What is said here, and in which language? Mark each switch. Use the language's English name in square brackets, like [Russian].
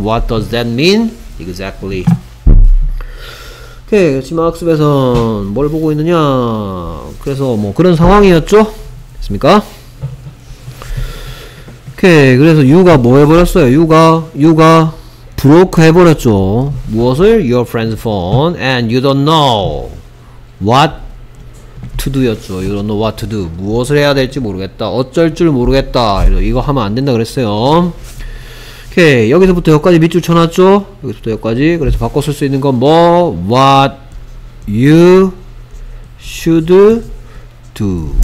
[English] What does that mean? Exactly. [Korean] 오케이, 심화 학습에선 뭘 보고 있느냐? 그래서 뭐 그런 상황이었죠? 됐습니까? 오케이, 그래서 you가 뭐 해버렸어요? you가 broke 해버렸죠. 무엇을? [English] Your friend's phone and you don't know what to do [Korean] 였죠. [English] You don't know what to do. [Korean] 무엇을 해야 될지 모르겠다. 어쩔 줄 모르겠다. 이거 하면 안 된다 그랬어요. 오케이. 여기서부터 여기까지 밑줄 쳐놨죠? 여기서부터 여기까지. 그래서 바꿔 쓸 수 있는 건 뭐? [English] What you should do.